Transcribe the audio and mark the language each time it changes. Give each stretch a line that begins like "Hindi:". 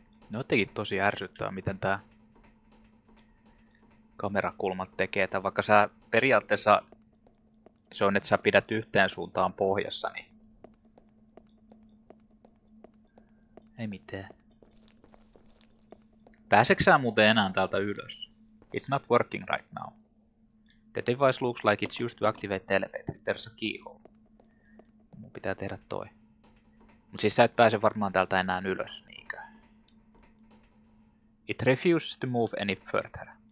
Finnish: Ne jotenkin tosi ärsyttävää, miten tää kamerakulma tekee tää, vaikka sä periaatteessa se on, että sä pidät yhteen suuntaan pohjassa, niin... Ei mitään. Pääseks sä muuten enää täältä ylös?
English: It's not working right now. The device looks like it's used to activate elevator. There's a keyhole.
Finnish: Mun pitää tehdä toi. Mut siis sä et pääse varmaan täältä enää ylös, niinkö?
English: It refuses to move any further.